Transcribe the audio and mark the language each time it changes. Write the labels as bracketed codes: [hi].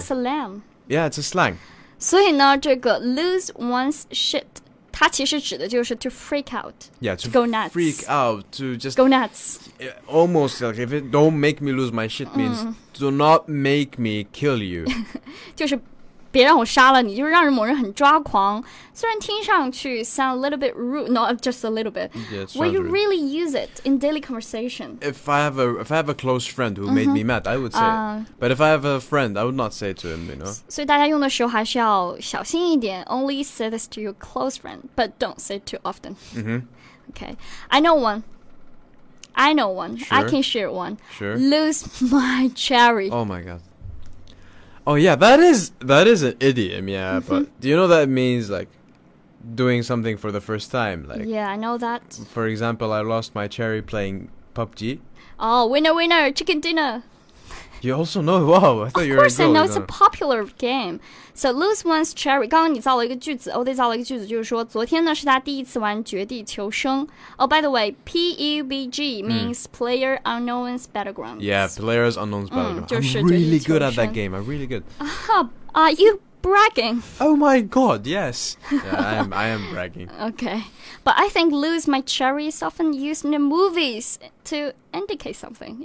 [en] slang. Yeah, it's a slang. [zh] 所以呢，这个 [en] lose one's shit, [zh] 它其实指的就是 [en] to freak out. Yeah, to go nuts. Freak out, to just... Go nuts. Almost like, if it don't make me lose my shit means do not make me kill you. [zh] 就是别让我杀了你，就是让人某人很抓狂。虽然听上去 [en] sound a little bit rude, not just a little bit. Yeah, will you really use it in daily conversation? If I have a close friend who made me mad, I would say it. But if I have a friend, I would not say it to him, you know? [zh] 所以大家用的时候还是要小心一点。 [en] Only say this to your close friend, but don't say it too often. Okay, I know one. Sure. I can share one. Sure. Lose my cherry. Oh my god. Oh, yeah, that is an idiom, yeah, but do you know that it means, like, doing something for the first time? Like, yeah, I know that. For example, I lost my cherry playing PUBG. Oh, winner, winner, chicken dinner. You also know, wow, I thought you were a girl. Of course, I know it's a popular game. So, lose one's cherry. [zh] 刚刚你造了一个句子 ,Ode 造了一个句子就是说昨天呢是他第一次玩绝地求生。 [en] Oh, by the way, PUBG means Player Unknown's Battlegrounds. Yeah, Player Unknown's Battlegrounds. I'm really good at that game. I'm really good. Are you bragging? Oh my god, yes. Yeah, I am bragging. Okay. But I think lose my cherry is often used in the movies to indicate something.